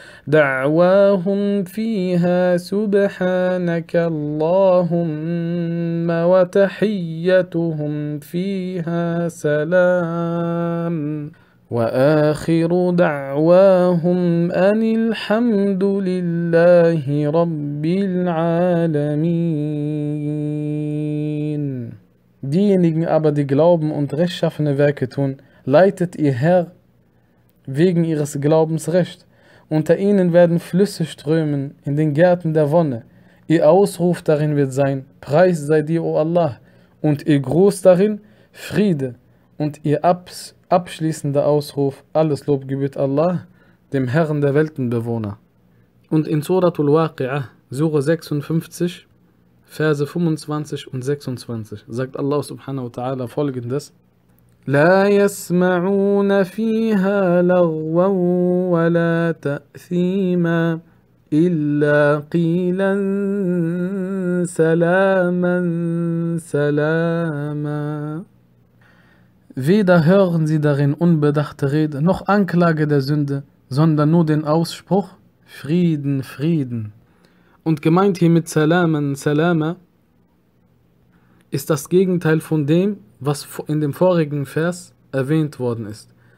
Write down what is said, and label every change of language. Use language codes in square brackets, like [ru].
[ar] دعواهم فيها سبحانك اللهم وتحيتهم فيها سلام وآخر دعواهم أن الحمد لله رب العالمين. [de] Diejenigen aber, die glauben und rechtschaffene Werke tun, leitet ihr Herr wegen ihres Glaubens recht. Unter ihnen werden Flüsse strömen in den Gärten der Wonne. Ihr Ausruf darin wird sein, Preis sei dir, o Allah, und ihr Gruß darin, Friede, und ihr abschließender Ausruf, alles Lob gebührt Allah, dem Herrn der Weltenbewohner. Und in Suratul Waqi'ah, Surah 56, Verse 25 und 26, sagt Allah subhanahu wa ta'ala folgendes: [ar] لا يسمعون فيها لغوا ولا تأثيما إلا قيلا سلاما سلاما. [de] Weder hören sie darin unbedachte Rede noch Anklage der Sünde, sondern nur den Ausspruch Frieden, Frieden. Und gemeint hier mit Salaman, Salama ist das Gegenteil von dem, was in dem vorigen Vers erwähnt worden ist.